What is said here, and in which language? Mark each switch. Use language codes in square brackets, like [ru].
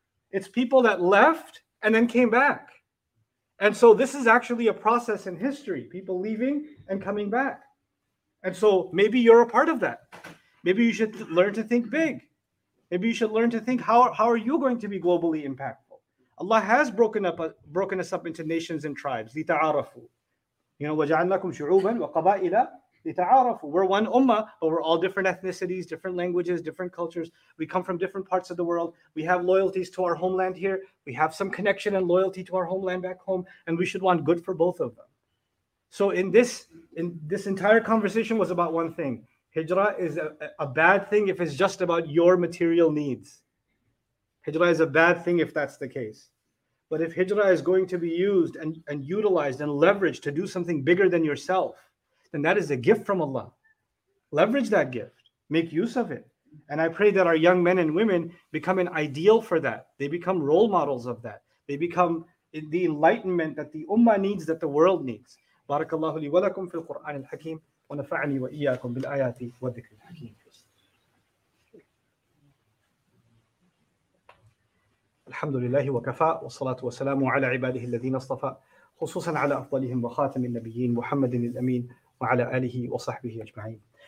[en] It's people that left and then came back. And so this is actually a process in history, people leaving and coming back. And so maybe you're a part of that. Maybe you should learn to think big. Maybe you should learn to think, how are you going to be globally impactful? Allah has broken us up into nations and tribes, [ar] لِتَعَارَفُوا. [en] You know, [ar] وَجَعَلْنَكُمْ شُعُوبًا وَقَبَائِلًا لِتَعَارَفُوا. [en] We're one ummah, but we're all different ethnicities, different languages, different cultures. We come from different parts of the world. We have loyalties to our homeland here. We have some connection and loyalty to our homeland back home, and we should want good for both of them. So in this entire conversation was about one thing. Hijra is a bad thing if it's just about your material needs. Hijra is a bad thing if that's the case. But if hijra is going to be used and utilized and leveraged to do something bigger than yourself, then that is a gift from Allah. Leverage that gift. Make use of it. And I pray that our young men and women become an ideal for that. They become role models of that. They become the enlightenment that the ummah needs, that the world needs. [ar] Barakallahu li wa lakum fil Qur'an al-Hakim. ونفعني وإياكم بالآيات والذكر الحكيم. الحمد لله وكفى والصلاة والسلام على عباده الذين اصطفى خصوصا على أفضلهم وخاتم النبيين محمد الأمين وعلى آله وصحبه أجمعين.